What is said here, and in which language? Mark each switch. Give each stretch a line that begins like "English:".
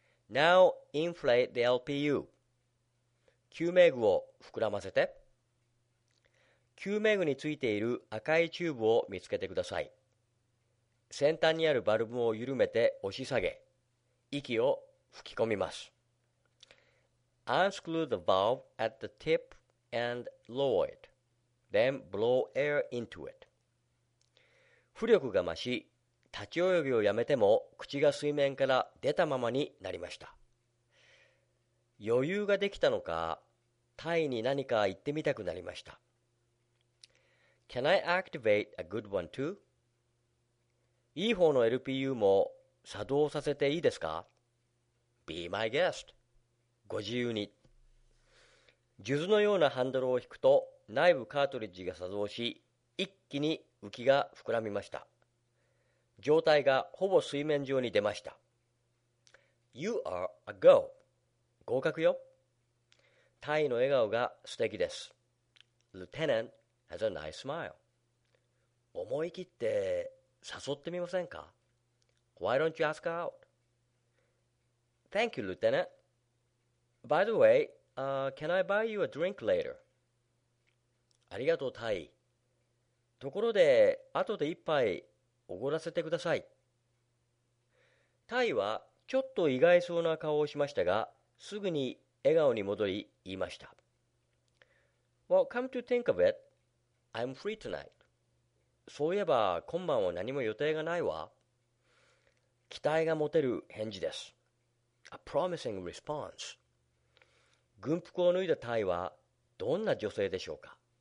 English: Now inflate the LPU.
Japanese: 救命具を膨らませて。救命具についている赤いチューブを見つけてください。先端にあるバルブを緩めて押し下げ、息を吹き込みます。
English: Unscrew the valve at the tip and lower it. Then blow air into it.
Japanese: 浮力が増し、立ち泳ぎをやめても口が水面から出たままになりました。余裕ができたのか、タイに何か言ってみたくなりました。
English: Can I activate a good one too?
Japanese: いい方の LPU も作動させていいですか。
English: Be my guest.
Japanese: ご自由に。数珠のようなハンドルを引くと、内部カートリッジが作動し、一気に浮きが膨らみました。状態がほぼ水面上に出ました。
English: You are a go.
Japanese: 合格よ。タイの笑顔が素敵です。
English: Lieutenant has a nice smile.
Japanese: 思い切って誘ってみませんか。
English: Why don't you ask out? Thank you, Lieutenant. By the way, can I buy you a drink later?
Japanese: ありがとう、タイ。ところで、後で一杯おごらせてください。タイはちょっと意外そうな顔をしましたが、すぐに笑顔に戻り言いました。
English: Well, come to think of it, I'm free tonight.
Japanese: そういえば、今晩は何も予定がないわ。期待が持てる返事です。
English: A promising response.
Japanese: 軍服を脱いだタイはどんな女性でしょうか。